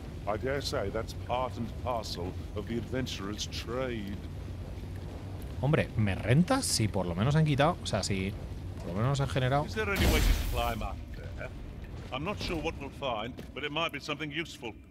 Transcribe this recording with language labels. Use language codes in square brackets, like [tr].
[en] I dare say that's part and parcel of the adventurer's trade. [es] Hombre, ¿me renta si por lo menos han quitado? O sea, si por lo menos nos han generado. [en] Is there any way to climb up there? I'm not sure what we'll find, but it might be something useful.